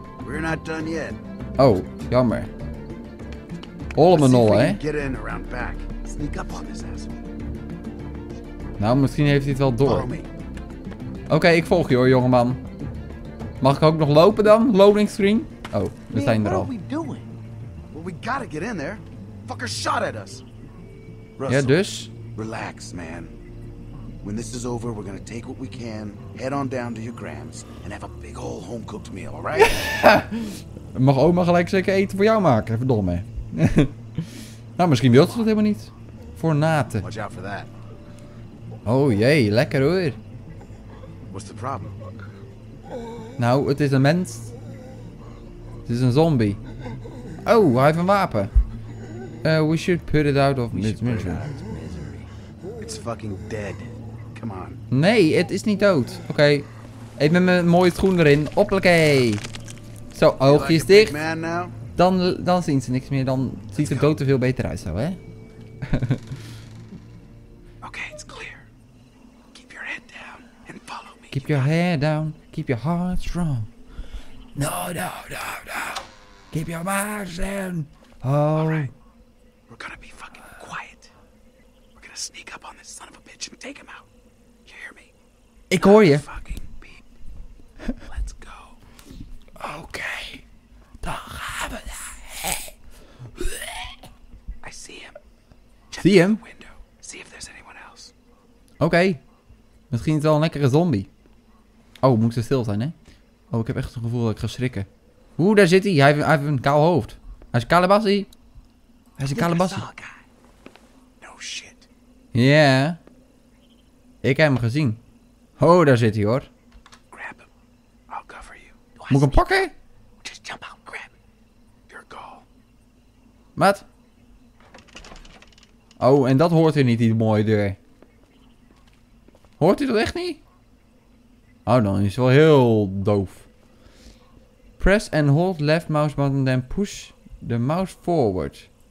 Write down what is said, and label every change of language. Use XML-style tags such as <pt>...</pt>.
<en>We're not done yet.</en> <nl>Oh, jammer. Hol mijn nol, hè.</nl> <en>Get in around back. Sneak up on this asshole.</en> <nl>Nou, misschien heeft hij het wel door. Oké, okay, ik volg je hoor, jongeman. Mag ik ook nog lopen dan? Loading screen? Oh, we</nl> <en>man,</en> <nl>zijn er al.</nl> <en>What are we doing? Well, we gotta get in there. Fucker shot at us.</en> <nl>Russell, ja, dus?</nl> <en>Relax, man. When this is over, we're gonna take what we can, head on down to your grams, and have a big ol' home-cooked meal, alright?</en> <nl>Mag oma gelijk zeker eten voor jou maken, verdomme. Nou, misschien wilt ze dat helemaal niet. Voor Naten.</nl> <en>Watch out for that.</en> <nl>Oh jee, lekker hoor.</nl> <en>What's the problem?</en> <nl>Nou, het is een mens. Het is een zombie. Oh, hij heeft een wapen.</nl> <en>We should put it out of misery. It's fucking dead. Come on.</en> <nl>Nee, het is niet dood. Oké. Okay. Even mijn mooie schoen erin. Hoppakee. Zo, oogjes dicht. Dan zien ze niks meer. Dan ziet het dood er veel beter uit zo, hè?</nl> <en>Okay, it's clear. Keep your head down and follow me. Keep your head down. Keep your heart strong. No. Keep your mind strong. Alright. We're gonna be fucking quiet. We're gonna sneak up on this son of a bitch and take him out. You hear me?</en> <nl>Ik hoor je.</nl> <en>Fucking beep. Let's go.</en> <nl>Okay. Dan gaan we daar.</nl> <en>I see him.</en> <nl>Zie hem. Oké. Okay. Misschien is het wel een lekkere zombie. Oh, moet ze stil zijn, hè? Oh, ik heb echt het gevoel dat ik ga schrikken. Oeh, daar zit hij. Hij heeft een kaal hoofd. Hij is een kalebassie. Hij is een kalebassie.</nl> <en>No shit.</en> <nl>Ja. Yeah. Ik heb hem gezien. Oh, daar zit hij, hoor.</nl> <en>Grab him. I'll cover you.</en> <nl>Moet ik hem pakken?</nl> <en>Just jump out, grab. Your call.</en> <nl>Wat? Oh, en dat hoort hier niet, die mooie deur. Hoort hij dat echt niet? Oh, dan is hij wel heel doof.</nl> <en>Press and hold left mouse button, then push the mouse forward.</en>